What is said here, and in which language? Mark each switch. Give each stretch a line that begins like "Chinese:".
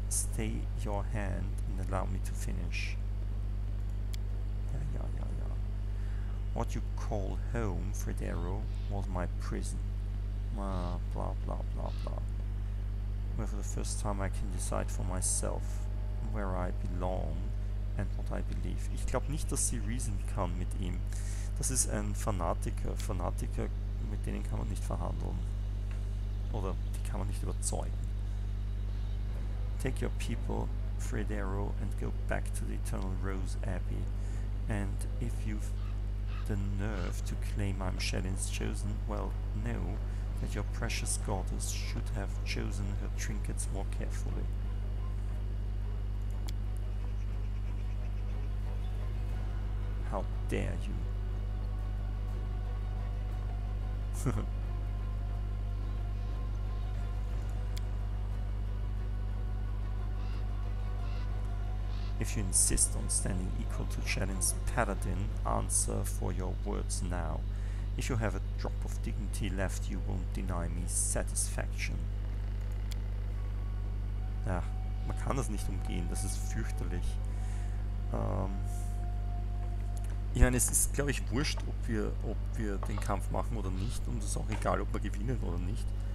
English: Stay your hand and allow me to finish. Yeah. What you call home, Fredero, was my prison. Where for the first time I can decide for myself where I belong and what I believe.
German: Ich glaube nicht, dass sie reason kann mit ihm. Das ist ein Fanatiker. Fanatiker, mit denen kann man nicht verhandeln. Oder die kann man nicht überzeugen.
English: Take your people, Fredero, and go back to the Eternal Rose Abbey. And if you've the nerve to claim I'm Shelyn's chosen, well, know that your precious goddess should have chosen her trinkets more carefully. How dare you? If you insist on standing equal to Shelyn's paladine, answer for your words now. If you have a drop of dignity left, you won't deny me satisfaction.
German: Ja, man kann das nicht umgehen, das ist fürchterlich. Ich meine, es ist, glaube ich, wurscht, ob wir den Kampf machen oder nicht, und es ist auch egal, ob wir gewinnen oder nicht.